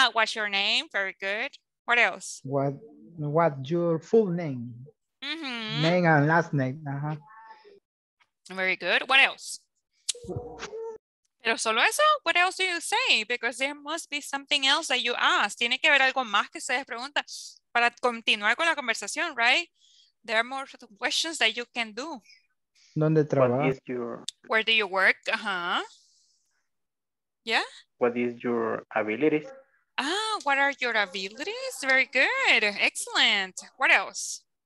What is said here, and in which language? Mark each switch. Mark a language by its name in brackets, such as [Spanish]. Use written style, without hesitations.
[English] What's your name? Very good. What else? What's your full name? Name and last name. Very good. What else? [Spanish] Pero solo eso? [English] What else do you say? Because there must be something else that you ask. [Spanish] Tiene que haber algo más que ustedes preguntan para continuar con la conversación, right? [English] There are more questions that you can do. [Spanish] ¿Dónde trabaja? [English] Where do you work? Yeah. What is your abilities? What are your abilities? Very good. Excellent. What else?